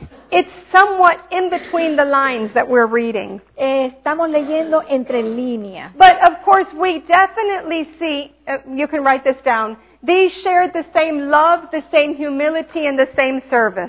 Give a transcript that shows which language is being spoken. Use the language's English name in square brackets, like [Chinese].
[English] It's somewhat in between the lines that we're reading. [Spanish] Estamos leyendo entre líneas. [English] But of course we definitely see, you can write this down, these shared the same love, the same humility, and the same service.